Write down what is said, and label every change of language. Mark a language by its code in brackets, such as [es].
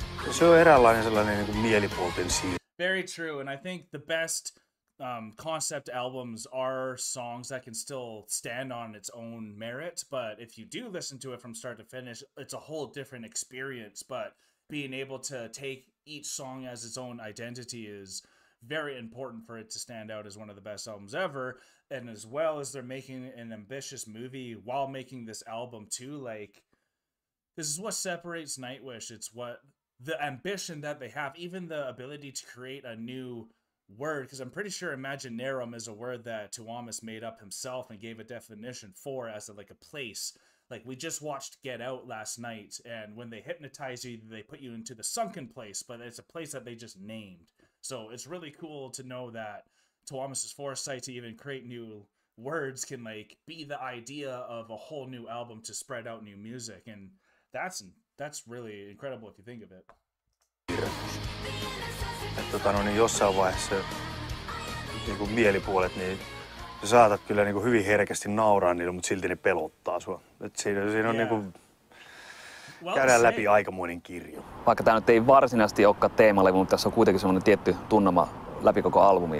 [fi] Se on eräänlainen sellainen niin kuin mielipuolten siirto. [en] Very true, and I think the best concept albums are songs that can still stand on its own merit, but if you do listen to it from start to finish, it's a whole different experience. But being able to take each song as its own identity is very important for it to stand out as one of the best albums ever. And as well as they're making an ambitious movie while making this album too, like, this is what separates Nightwish. It's what the ambition that they have, even the ability to create a new word, because I'm pretty sure Imaginaerum is a word that Tuomas made up himself and gave a definition for as a, like a place. Like, we just watched Get Out last night, and when they hypnotize you, they put you into the sunken place, but it's a place that they just named. So it's really cool to know that Tuomas' foresight to even create new words can like be the idea of a whole new album to spread out new music, and that's really incredible if you think of it. [fi] Jossain vaiheessa niinku mielipuolet, niin sä saatat kyllä niinku hyvin herkästi nauraa niille, mutta silti ne pelottaa sua. Et siinä on niinku, käydään läpi aikamoinen kirjo. Vaikka tää nyt ei varsinaisesti olekaan teemalevy, mutta tässä on kuitenkin semmoinen tietty tunnelma läpi koko albumi.